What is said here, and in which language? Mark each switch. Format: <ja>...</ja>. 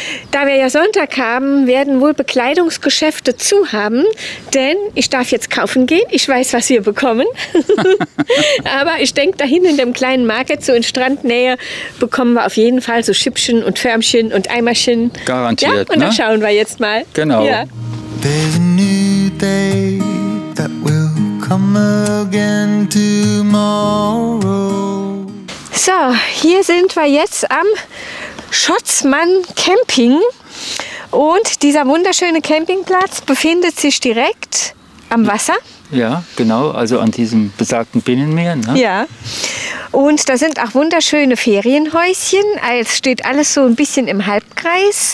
<de>Da wir ja Sonntag haben, werden wohl Bekleidungsgeschäfte zu haben, denn ich darf jetzt kaufen gehen. Ich weiß, was wir bekommen. Aber ich denke, dahin in dem kleinen Market, so in Strandnähe, bekommen wir auf jeden Fall so Schippchen und Förmchen und Eimerchen. Garantiert, ja, und ne? Und dann schauen wir jetzt mal. Genau. Ja.</de> <en>There's a new day that will come again tomorrow.</en> <de>So, hier sind wir jetzt am Schotzmann Camping und dieser wunderschöne Campingplatz befindet sich direkt am Wasser. Ja, genau, also an diesem besagten Binnenmeer. Ne? Ja, und da sind auch wunderschöne Ferienhäuschen, es steht alles so ein bisschen im Halbkreis.</de>